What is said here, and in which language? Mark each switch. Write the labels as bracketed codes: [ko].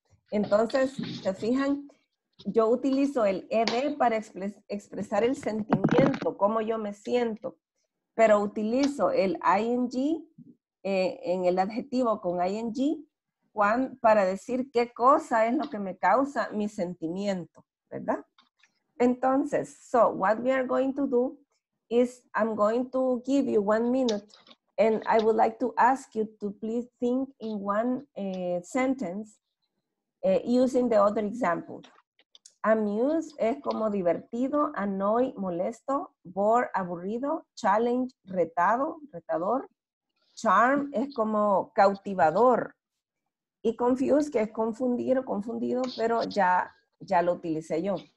[es] Entonces, se fijan, yo utilizo el ED para expresar el sentimiento, cómo yo me siento. Pero utilizo el ING en el adjetivo con ING para decir qué cosa es lo que me causa mi sentimiento, ¿verdad? Entonces, [en] so what we are going to do is I'm going to give you 1 minute. And I would like to ask you to please think in one sentence using the other example. [es] Amuse es como divertido, annoy, molesto, bore, aburrido, challenge, retado, retador, charm es como cautivador, y confuse que es confundir o confundido, pero ya lo utilicé yo.